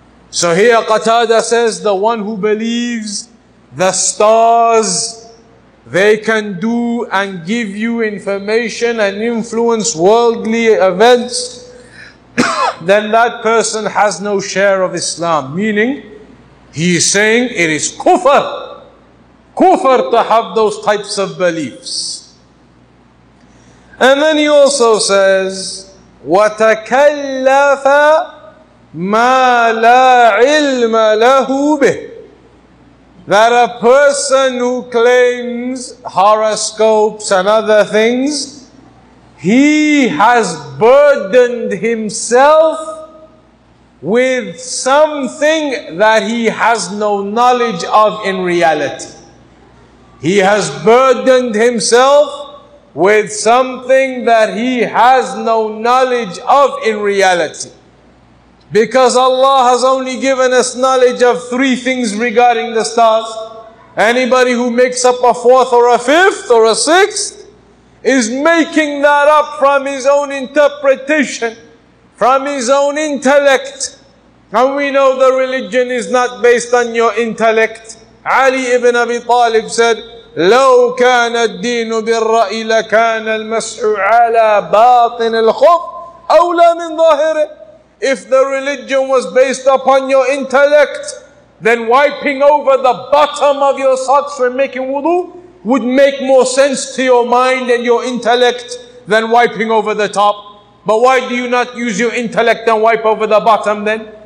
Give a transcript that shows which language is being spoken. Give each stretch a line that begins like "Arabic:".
English: So here Qatada says, the one who believes the stars, they can do and give you information and influence worldly events, then that person has no share of Islam. Meaning, he is saying it is kufr. Kufr to have those types of beliefs. And then he also says,
Arabic: وَتَكَلَّفَ مَا لَا عِلْمَ لَهُ بِهِ.
English: That a person who claims horoscopes and other things, he has burdened himself with something that he has no knowledge of in reality. He has burdened himself with something that he has no knowledge of in reality. Because Allah has only given us knowledge of three things regarding the stars. Anybody who makes up a fourth or a fifth or a sixth is making that up from his own interpretation, from his own intellect. And we know the religion is not based on your intellect. Ali ibn Abi Talib said,
Arabic: لو كان الدين بالرأي لكان المسح على باطن الخف أولى من ظاهره.
English: If the religion was based upon your intellect, then wiping over the bottom of your socks when making wudu would make more sense to your mind and your intellect than wiping over the top. But why do you not use your intellect and wipe over the bottom then?